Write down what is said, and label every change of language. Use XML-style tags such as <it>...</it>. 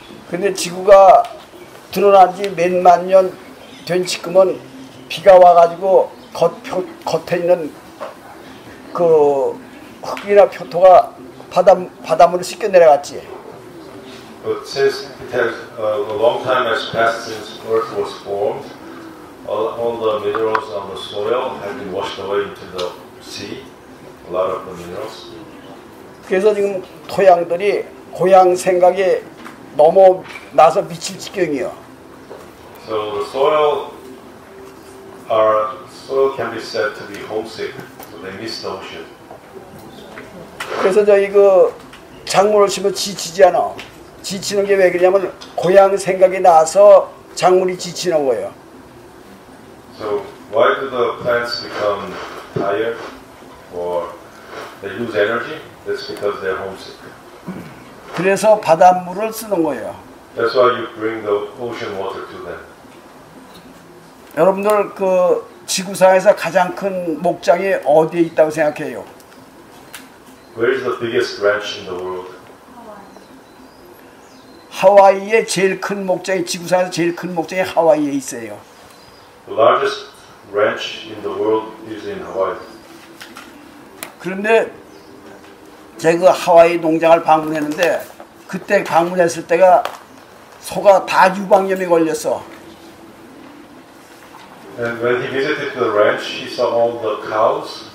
<ko>근데 지구가 드러난 지 몇만 년 된 지금은 비가 와가지고 겉에 있는 그 흙이나 표토가 바닷물을 씻겨 내려갔지.</ko> <en>But since it has a long time has passed since Earth was formed, all the minerals on the soil have been washed away into the sea. A lot of the minerals.</en> <ko>그래서 지금 토양들이 고향 생각에 너무 나서 미칠 지경이요.</ko> <en>So the soil, our soil can be said to be homesick, so they miss the ocean.</en> <ko>그래서 저희 그 작물을 심으면 지치지 않아. 지치는 게 왜 그러냐면 고향 생각이 나서 작물이 지치는 거예요.</ko> <en>So why do the plants become tired or they lose energy? That's because they're homesick.</en> <ko>그래서 바닷물을 쓰는 거예요.</ko> <en>That's why you bring the ocean water to them.</en> <ko>여러분들 그 지구상에서 가장 큰 목장이 어디에 있다고 생각해요?</ko> <en>Where is the biggest ranch in the world?</en> <ko>하와이의 제일 큰 목장이 지구상에서 제일 큰 목장이 하와이에 있어요.</ko> <en>The largest ranch in the world is in Hawaii.</en> <ko>그런데 제가 그 하와이 농장을 방문했는데 그때 방문했을 때가 소가 다 유방염에 걸렸어.</ko> <en>And when he visited the ranch, he saw all the cows.</en>